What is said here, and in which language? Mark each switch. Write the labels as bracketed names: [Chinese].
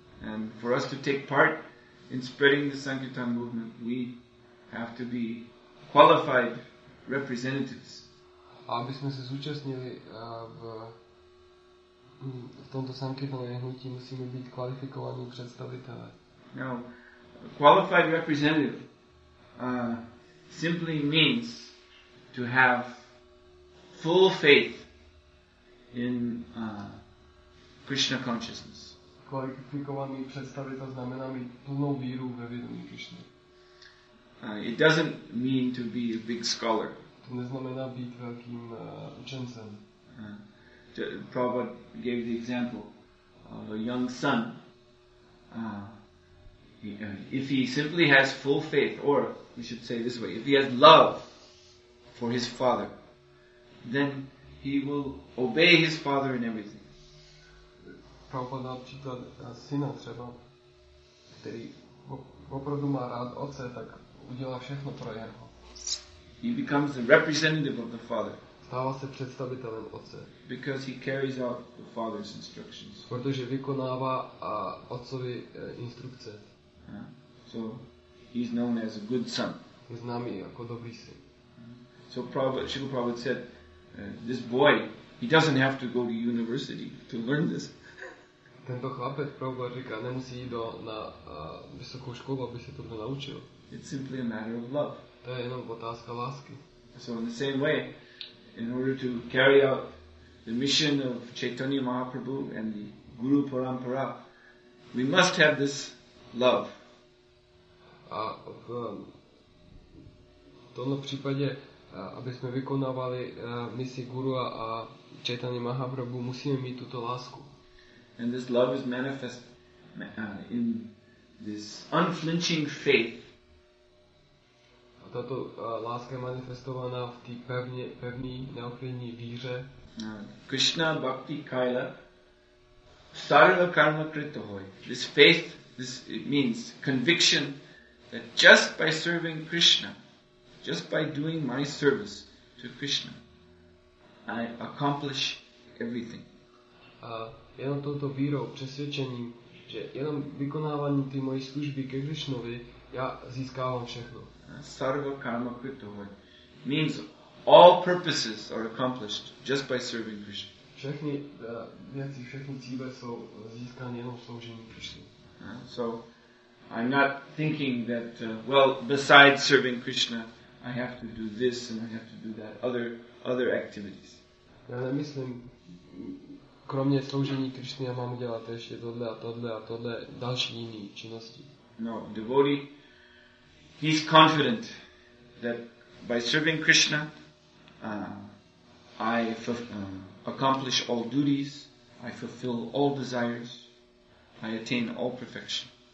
[English] And for us to take part in spreading the Sankirtan movement, we have to be qualified representatives. [Czech] A aby jsme se zúčastnili v tomto Sankirtanové hnutí, musíme být kvalifikovaní představitelé. [English] Now, qualified representative simply means to have full faith in Krishna consciousness. [Czech] Kvalifikovaný představitel znamená mít plnou víru ve vědomí Krishny. [English] It doesn't mean to be a big scholar. [Czech] To neznamená být velkým učencem. [English] Prabhupada gave the example of a young son. If he simply has full faith, or we should say this way, if he has love for his father, then he will obey his father in everything. [Czech] Prabhupada příklad syna třeba, který opravdu má rád otce, tak udělá všechno pro jeho. [English] He becomes the representative of the father. [Czech] Stává se představitelem otce. [English] Because he carries out the father's instructions. [Czech] Protože vykonává otcovy instrukce. [English] So he's known as a good son. [Czech] Je známý jako dobrý syn. [English] So Prabhupada, Srila Prabhupada said, this boy, he doesn't have to go to university to learn this. [Czech] Tento chlapec Prabhupada říká, nemusí jít na vysokou školu, aby se tohle naučil. [English] It's simply a matter of love. [Czech] To je jenom otázka lásky. [English] So in the same way, in order to carry out the mission of Chaitanya Mahaprabhu and the Guru Parampara, we must have this love. [Czech] A v tomto případě, aby jsme vykonávali misi Guru a Chaitanya Mahaprabhu, musíme mít tuto lásku. [English] And this love is manifest in this unflinching faith. [Czech] A tato láska je manifestovaná v té pevné, neochvějné víře. [Bangla] Krishna bhakti kaila sarva karma kritohoy. [English] This faith, this it means conviction that just by serving Krishna, just by doing my service to Krishna, I accomplish everything. [Czech] Jenom touto vírou, přesvědčením, že jenom vykonávání ty mojí služby ke Krišnovi, já získávám všechno. [Bangla] Sarva karma kritohoy [English] means all purposes are accomplished just by serving Krishna. [Czech] Všechny věci, všechny cíle jsou získány jenom sloužením Krišny. [English] So I'm not thinking that, well, besides serving Krishna, I have to do this and I have to do that, other activities. [Czech] Já nemyslím, kromě sloužení Krišně já mám dělat ještě tohle a tohle a tohle, další jiné činnosti. [English] No, devotee, he's confident that by serving Krishna, I accomplish all duties, I fulfill all desires, I attain all perfection.